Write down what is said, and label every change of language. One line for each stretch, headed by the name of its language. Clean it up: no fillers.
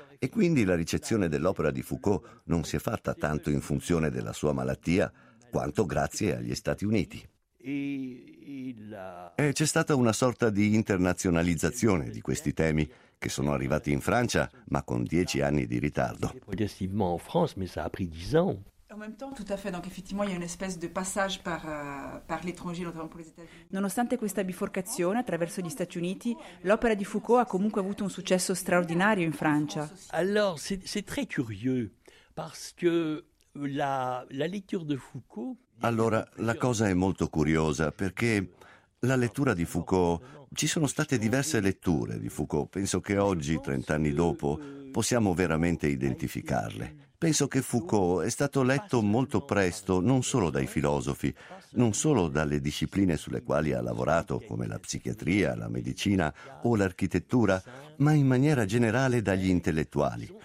Italian: E quindi la ricezione dell'opera di Foucault non si è fatta tanto in funzione della sua malattia, quanto grazie agli Stati Uniti. E c'è stata una sorta di internazionalizzazione di questi temi che sono arrivati in Francia, ma con 10 anni di ritardo.
French: Progressivement en France, mais ça a pris 10 ans. En même temps, tout à fait. Donc, effectivement, il y a une espèce de passage par l'étranger, notamment pour les États-Unis.
Italian: Nonostante questa biforcazione attraverso gli Stati Uniti, l'opera di Foucault ha comunque avuto un successo straordinario in Francia.
French: Alors, c'est très curieux parce que
Italian: la lettura di Foucault. Allora, la cosa è molto curiosa perché la lettura di Foucault. Ci sono state diverse letture di Foucault. Penso che oggi, 30 anni dopo, possiamo veramente identificarle. Penso che Foucault è stato letto molto presto, non solo dai filosofi, non solo dalle discipline sulle quali ha lavorato, come la psichiatria, la medicina o l'architettura, ma in maniera generale dagli intellettuali.